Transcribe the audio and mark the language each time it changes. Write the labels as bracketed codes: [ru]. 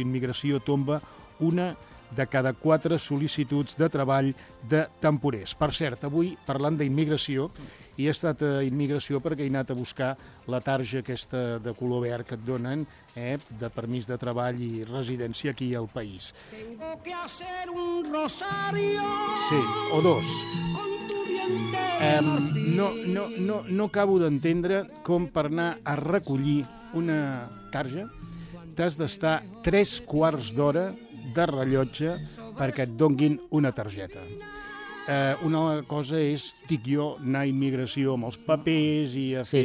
[ca] Immigració tomba una de cada quatre sol·licituds de treball de temporers. Per cert, avui, parlant d'immigració, hi he estat a immigració perquè he anat a buscar la targeta aquesta de color verd que et donen, de permís de treball i residència aquí al país. [es] Tengo que hacer un rosario. Sí, o dos. Con tu diente [ca] de no acabo d'entendre com per anar a recollir una targeta t'has d'estar tres quarts d'hora de rellotge perquè et donguin una targeta. Una cosa és, dic jo, anar a immigració amb els papers i a fer...